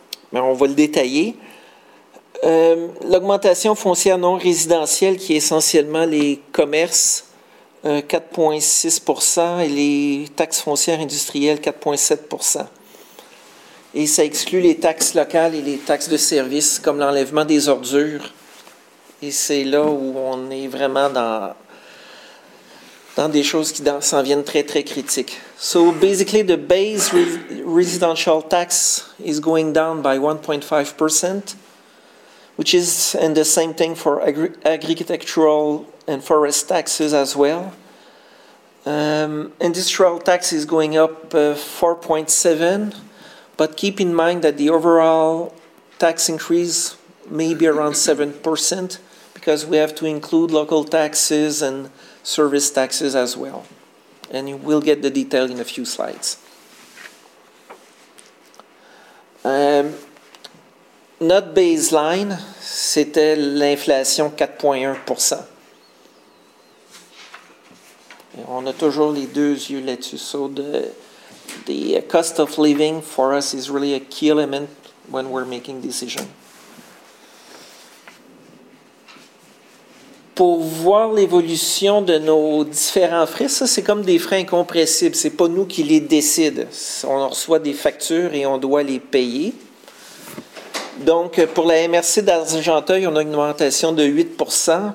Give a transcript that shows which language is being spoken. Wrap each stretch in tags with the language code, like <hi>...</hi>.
<fr>Mais on va le détailler. L'augmentation foncière non résidentielle, qui est essentiellement les commerces, 4,6%, et les taxes foncières industrielles, 4,7%. Et ça exclut les taxes locales et les taxes de services, comme l'enlèvement des ordures. Et c'est là où on est vraiment dans dans des choses qui s'en viennent très, très critiques.</fr> <en>So basically, the base residential tax is going down by 1.5%, which is, and the same thing for agricultural and forest taxes as well. Industrial tax is going up 4.7%, but keep in mind that the overall tax increase may be around 7%, because we have to include local taxes and service taxes as well. And you will get the detail in a few slides.</en> <fr>Notre baseline, c'était l'inflation 4.1%. Et on a toujours les deux yeux là-dessus.</fr> <en>So the cost of living for us is really a key element when we're making decisions.</en> <fr>Pour voir l'évolution de nos différents frais, ça c'est comme des frais incompressibles. C'est pas nous qui les décident. On reçoit des factures et on doit les payer. Donc, pour la MRC d'Argenteuil, on a une augmentation de 8%.</fr>